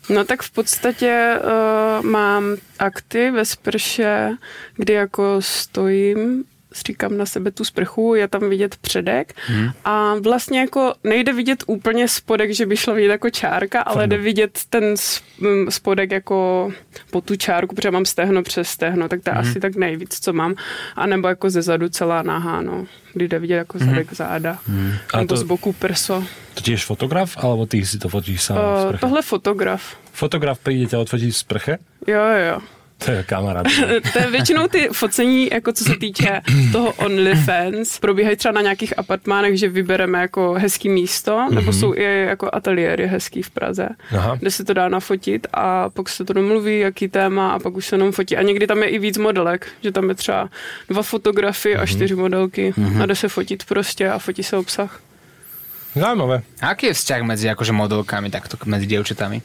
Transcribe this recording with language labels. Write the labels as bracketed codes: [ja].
[cs] No tak v podstatě mám akty ve sprše, kdy jako stojím. Stříkám na sebe tu sprchu, je tam vidět předek a vlastně jako nejde vidět úplně spodek, že by šlo vidět jako čárka, ale jde vidět ten spodek jako po tu čárku, protože mám stehno přes stehno, tak to je asi tak nejvíc, co mám. A nebo jako ze zadu celá nahá, no. Kdy jde vidět jako zadek záda. Nebo to, z boku prso. [sk] To ti ješ fotograf, alebo ty si to fotíš sám v sprche? [cs] Tohle fotograf. Fotograf přijde tě odfotit v sprche? Jo. To je kamarád. To je většinou ty focení, jako co se týče toho OnlyFans, probíhají třeba na nějakých apartmánech, že vybereme jako hezký místo, nebo jsou i jako ateliéry hezký v Praze, kde se to dá nafotit a pak se to domluví, jaký téma a pak už se jenom fotí. A někdy tam je i víc modelek, že tam je třeba dva fotografy a čtyři modelky a jde se fotit prostě a fotí se obsah. [sk] Zaujímavé. Aký je vzťah medzi akože modelkami, takto medzi dievčatami?